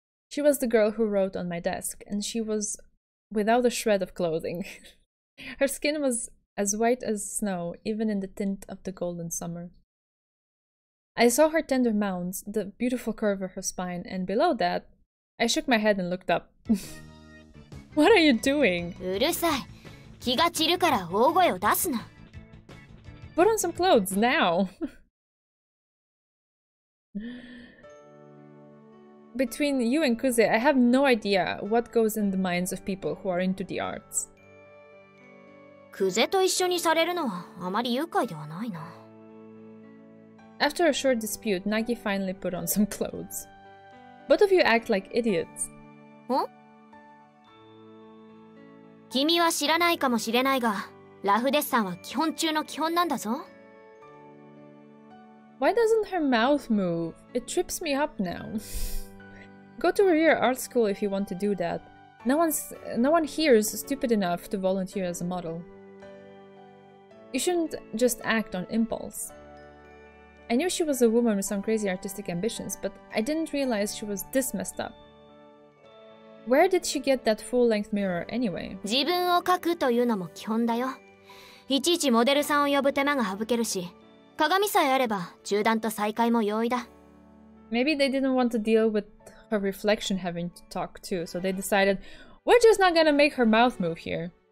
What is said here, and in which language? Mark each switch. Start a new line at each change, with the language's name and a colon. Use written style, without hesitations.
English: She was the girl who wrote on my desk, and she was without a shred of clothing. Her skin was as white as snow, even in the tint of the golden summer. I saw her tender mounds, the beautiful curve of her spine, and below that, I shook my head and looked up. What are you doing?
Japanese: うるさい。気が散るから大声を出すな。
English: Put on some clothes now. Between you and Kuze, I have no idea what goes in the minds of people who are into the arts.
Japanese: Kuze と一緒にされるのはあまり愉快ではないな。
English: After a short dispute, Nagi finally put on some clothes. Both of you act like idiots. Huh?
Japanese: 君は知らないかもしれないが、ラフデッサンは基本中の基本なんだぞ。
English: Why doesn't her mouth move? It trips me up now. Go to a real art school if you want to do that. No one here is stupid enough to volunteer as a model. You shouldn't just act on impulse. I knew she was a woman with some crazy artistic ambitions, but I didn't realize she was this messed up. Where did she get that full-length mirror anyway?
Japanese: 自分を描くというのも基本だよ。いちいちモデルさんを呼ぶ手間が省けるし、鏡さえあれば中断と再会も容易だ。
English: Maybe they didn't want to deal with her reflection having to talk too, so they decided, we're just not gonna make her mouth move here.